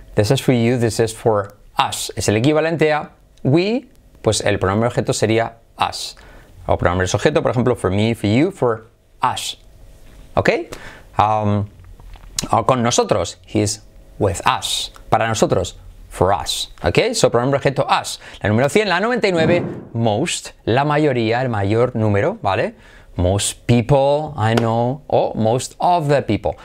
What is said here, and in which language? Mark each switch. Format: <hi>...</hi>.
<en>This is for you, this is for us.</en> <es>Es el equivalente a</es> <en>we,</en> <es>pues el pronombre objeto sería us. O pronombre sujeto, por ejemplo,</es> <en>for me, for you, for us.</en> <es>¿Ok? O con nosotros,</es> <en>he's with us.</en> <es>Para nosotros,</es> <en>for us.</en> <es>¿Ok? So, pronombre objeto us. La número 100, la 99, most, la mayoría, el mayor número, ¿vale?</es> <en>Most people I know, o most of the people.</en>